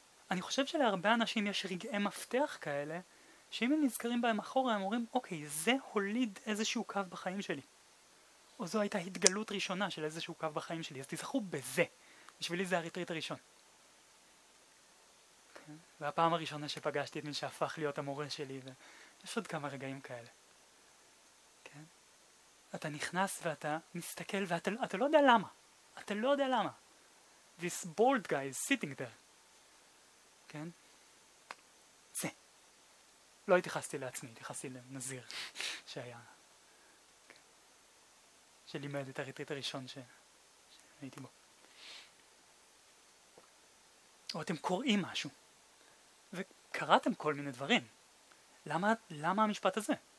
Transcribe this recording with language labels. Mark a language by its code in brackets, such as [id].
[he] אני חושב שלהרבה אנשים יש רגעי מפתח כאלה שאם הם נזכרים בהם אחורה הם אומרים, אוקיי, זה הוליד איזשהו קו בחיים שלי, או זו הייתה התגלות ראשונה של איזשהו קו בחיים שלי, אז תזכרו בזה. בשבילי זה הריטריט הראשון. כן? והפעם הראשונה שפגשתי את מי שהפך להיות המורה שלי, ויש עוד כמה רגעים כאלה. כן? אתה נכנס ואתה מסתכל ואתה לא יודע למה. אתה לא יודע למה. [en] This bald guy is sitting there. [he] כן? זה. לא התייחסתי לעצמי, התייחסתי לנזיר שהיה. כן? שלימד את הריטריט הראשון שהייתי בו. או אתם קוראים משהו, וקראתם כל מיני דברים. למה המשפט הזה?